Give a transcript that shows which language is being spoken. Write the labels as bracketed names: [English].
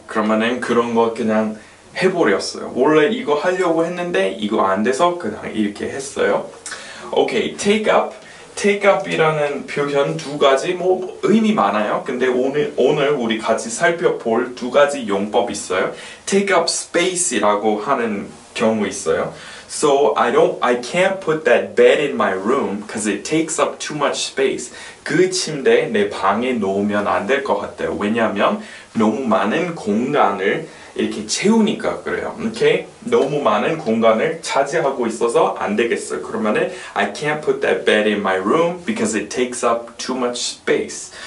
[Korean] 그러면은 그런 거 그냥 해버렸어요. 원래 이거 하려고 했는데 이거 안 돼서 그냥 이렇게 했어요. [English] Okay, take up. [Korean] Take up이라는 표현 두 가지 뭐 의미 많아요. 근데 오늘 우리 같이 살펴볼 두 가지 용법 있어요. Take up space이라고 하는 경우 있어요. [English] So I can't put that bed in my room because it takes up too much space. [Korean] 그 침대 내 방에 놓으면 안 될 것 같아요. 왜냐하면 너무 많은 공간을 이렇게 채우니까 그래요. [English] Okay? [Korean] 너무 많은 공간을 차지하고 있어서 안 되겠어요. [English] 그러면은 I can't put that bed in my room because it takes up too much space.